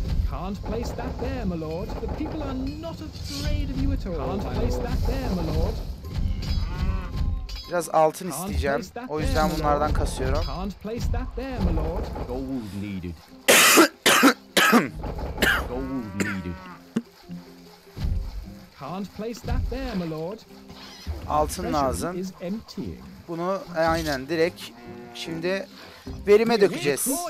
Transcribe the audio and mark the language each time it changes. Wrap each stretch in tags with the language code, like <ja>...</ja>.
<en>Can't place that there, my lord. The people are not afraid of you at all. Can't place that there, my lord.</en> <tr>Biraz altın isteyeceğim. O yüzden bunlardan kasıyorum.</tr> <en>Can't place that there, my lord. Gold needed. Gold needed. Can't place that there, my lord.</en> <tr>Altın lazım. Bunu aynen direkt şimdi verime dökeceğiz.</tr>